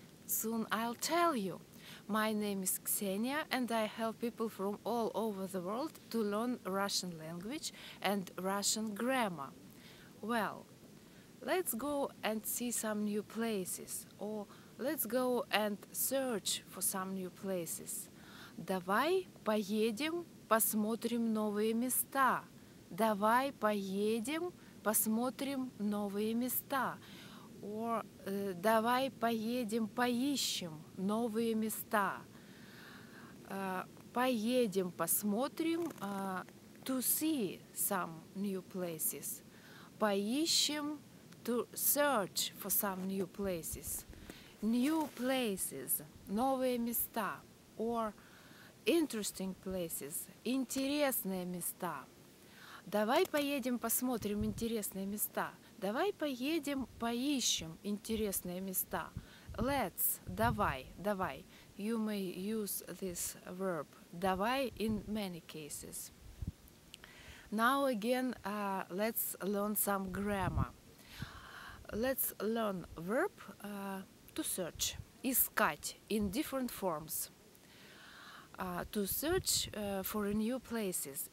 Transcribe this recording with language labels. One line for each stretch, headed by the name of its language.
English: Soon I'll tell you. My name is Ksenia and I help people from all over the world to learn Russian language and Russian grammar. Well, let's go and see some new places, or let's go and search for some new places.
Russian: Давай поедем посмотрим новые места. Давай поедем посмотрим новые места.
English: Or
Russian: давай поедем поищем новые места. Поедем посмотрим
English: to see some new places.
Russian: Поищем
English: to search for some new places. New places,
Russian: новые места.
English: Or interesting places,
Russian: интересные места. Давай поедем посмотрим интересные места. Давай поедем поищем интересные места.
English: Let's,
Russian: давай, давай.
English: You may use this verb, давай, in many cases. Now again, let's learn some grammar. Let's learn verb to search.
Russian: Искать
English: in different forms. To search for new places.